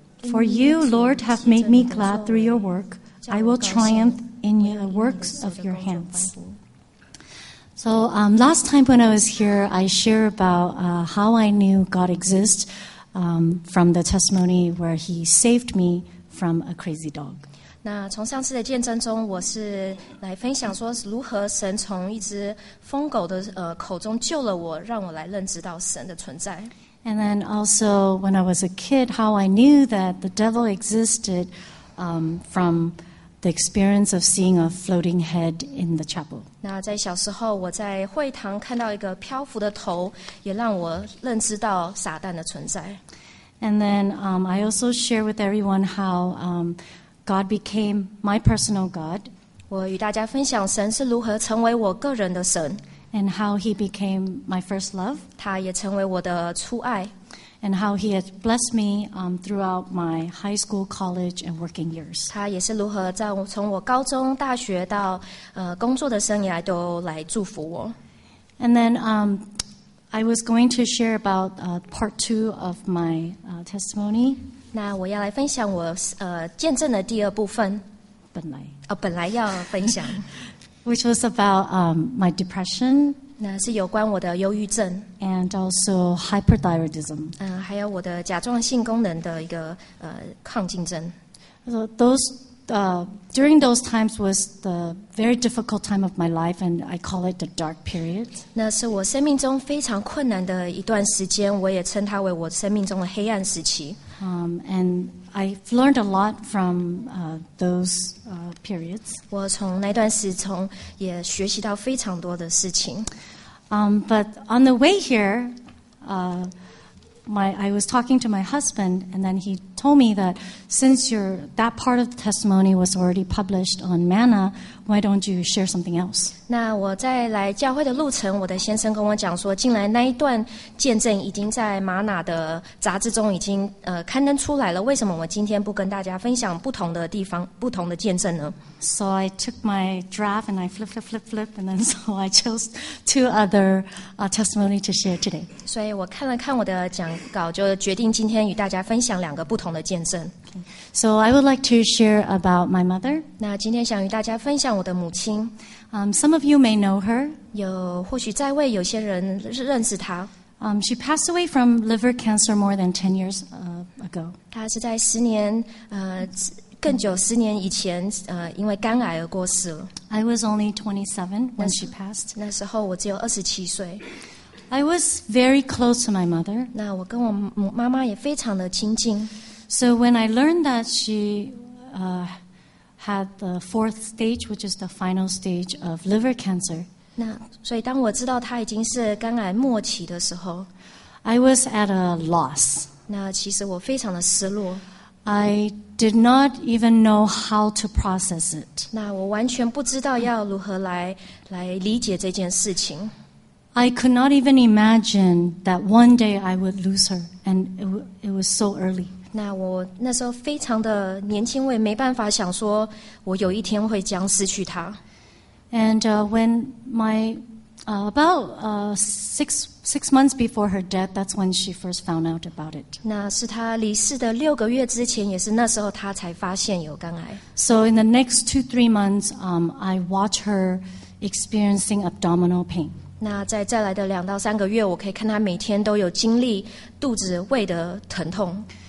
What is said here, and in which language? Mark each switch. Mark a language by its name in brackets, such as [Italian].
[English] For you, Lord, have made me glad through your work. I will triumph in your works of your hands. So, last time when I was here, I shared about how I knew God exists from the testimony where he saved me from a crazy dog. [Chinese] 那从上次的见证中，我是来分享说如何神从一只疯狗的口中救了我，让我来认知到神的存在。 [English] And then also, when I was a kid, how I knew that the devil existed from the experience of seeing a floating head in the chapel. [Chinese] 那在小时候，我在会堂看到一个漂浮的头，也让我认知到撒旦的存在。 [English] And then I also share with everyone how God became my personal God. [Chinese] 我与大家分享神是如何成为我个人的神。 [English] And how he became my first love. [Chinese] 他也成为我的初爱。 [English] And how he has blessed me throughout my high school, college, and working years. [Chinese] 他也是如何在从我高中、大学到工作的生涯都来祝福我。 [English] And then I was going to share about part two of my testimony. [Chinese] 那我要来分享我见证的第二部分。本来。本来要分享。 [English] Which was about my depression. [Chinese] 那是有关我的忧郁症 [English] and also hyperthyroidism. [Chinese] 还有我的甲状腺功能的一个亢进症 [English] So those during those times was the very difficult time of my life, and I call it the dark period. [Chinese] 那是我生命中非常困难的一段时间，我也称它为我生命中的黑暗时期。 [English] And I've learned a lot from those periods. [Chinese] 我从那段时从也学习到非常多的事情。 [English] But on the way here, I was talking to my husband, and then he told me that since that part of the testimony was already published on Mana, why don't you share something else? [Chinese] 那我在来教会的路程，我的先生跟我讲说，近来那一段见证已经在 Mana 的杂志中已经刊登出来了。为什么我今天不跟大家分享不同的地方、不同的见证呢？ [English] So I took my draft and I flip, and then so I chose two other testimony to share today. [Chinese] 所以我看了看我的讲稿，就决定今天与大家分享两个不同。同的见证。 [English] So I would like to share about my mother. [Chinese] 那今天想与大家分享我的母亲。 [English] Some of you may know her. [Chinese] 有或许在位有些人认识她。 [English] She passed away from liver cancer more than 10 years ago. [Chinese] 她是在十年更久十年以前因为肝癌而过世了。 [English] I was only 27 when she passed. [Chinese] 那时候我只有27岁。 [English] I was very close to my mother. [Chinese] 那我跟我妈妈也非常的亲近。 [English] So when I learned that she had the fourth stage, which is the final stage of liver cancer, [Chinese] 那所以当我知道她已经是肝癌末期的时候 [English] ，I was at a loss. [Chinese] 那其实我非常的失落。 [English] I did not even know how to process it. [Chinese] 那我完全不知道要如何来理解这件事情。 [English] I could not even imagine that one day I would lose her, and it was so early. [Chinese] 那我那时候非常的年轻，我也没办法想说我有一天会将失去她。 [English] And when my about six months before her death, that's when she first found out about it. [Chinese] 那是她离世的六个月之前，也是那时候她才发现有肝癌。 [English] So in the next 2-3 months, I watch her experiencing abdominal pain. [Chinese] 那在再来的2-3个月，我可以看她每天都有经历肚子胃的疼痛。